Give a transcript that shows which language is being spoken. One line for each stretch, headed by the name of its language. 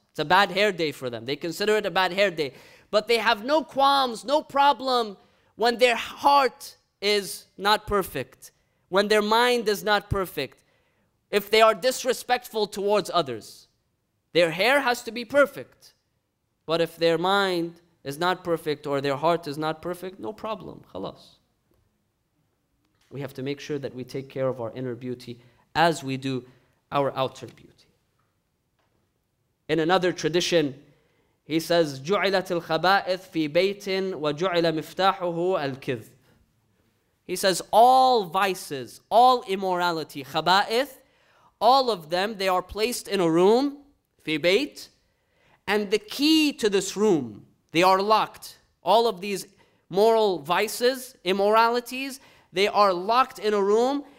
English: It's a bad hair day for them. They consider it a bad hair day. But they have no qualms, no problem when their heart is not perfect, when their mind is not perfect, if they are disrespectful towards others. Their hair has to be perfect. But if their mind is not perfect or their heart is not perfect, no problem. Khalas. We have to make sure that we take care of our inner beauty as we do our outer beauty. In another tradition, he says,
Arabic: جُعِلَتِ الْخَبَائِثْ فِي بَيْتٍ وَجُعِلَ مِفْتَاحُهُ الْكِذْبِ.
English: He says, all vices, all immorality, خَبَائِثْ, all of them, they are placed in a room,
Arabic: فِي بَيْتٍ,
English: and the key to this room, they are locked. All of these moral vices, immoralities, they are locked in a room.